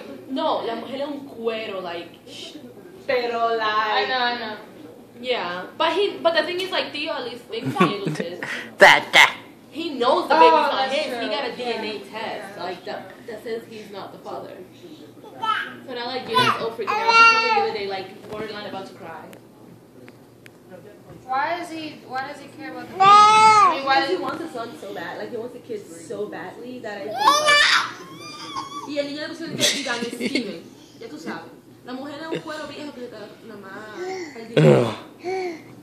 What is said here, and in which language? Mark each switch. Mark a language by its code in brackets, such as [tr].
[es] No, la mujer es un cuero, like, pero like. [en] I know. Yeah, but the thing is, like, Theo at least thinks he knows this. He knows the baby's not his. True. He got a DNA test, like, that says he's not the father. So now, like, you're all freaking out. She's probably the other day, like, borderline about to cry. Why does he care about the baby? Because he wants the son so bad. Like, he wants the kid so badly that I think. [es] Y el niño de los hijos de Steven. Ya tú sabes. La mujer es un cuero viejo que está nada más.